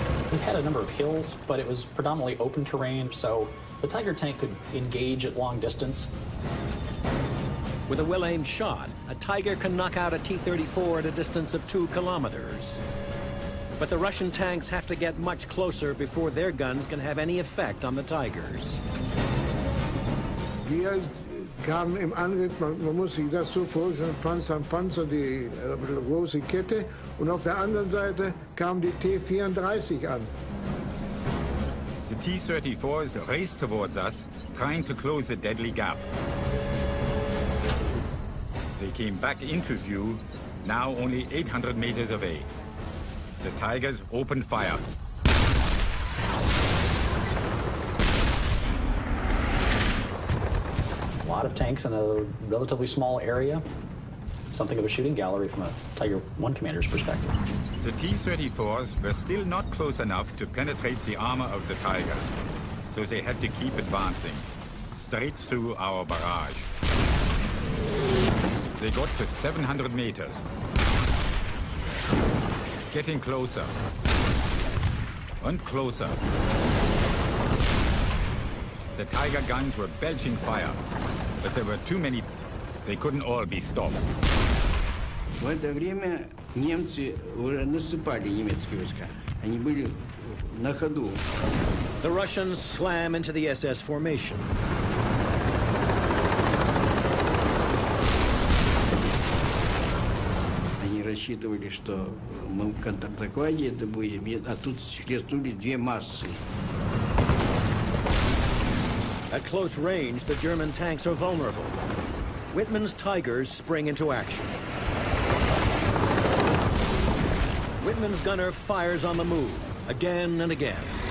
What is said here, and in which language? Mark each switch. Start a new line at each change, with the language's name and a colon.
English: We had a number of hills, but it was predominantly open terrain, so the Tiger tank could engage at long distance. With a well-aimed shot, a Tiger can knock out a T-34 at a distance of 2 kilometers. But the Russian tanks have to get much closer before their guns can have any effect on the Tigers.
German: Wir kamen im Angriff, man muss sich das so vorstellen, Panzer an Panzer, die große Kette. Und auf der anderen Seite kamen die T-34 an.
English: The T-34s raced towards us, trying to close the deadly gap. They came back into view, now only 800 meters away. The Tigers opened fire. A lot of tanks in a relatively small area. Something of a shooting gallery from a Tiger I commander's perspective. The T-34s were still not close enough to penetrate the armor of the Tigers, so they had to keep advancing, straight through our barrage. They got to 700 meters. Getting closer. And closer. The Tiger guns were belching fire. But there were too many They couldn't all be stopped.
Russian: В это время немцы уже наступали немецкие войска. Они были на ходу.
English: The Russians slam into the SS formation.
Russian: Они рассчитывали, что мы в контратаке это будем, а тут схлестнулись две массы.
English: At close range, the German tanks are vulnerable. Wittmann's Tigers spring into action. Wittmann's gunner fires on the move, again and again.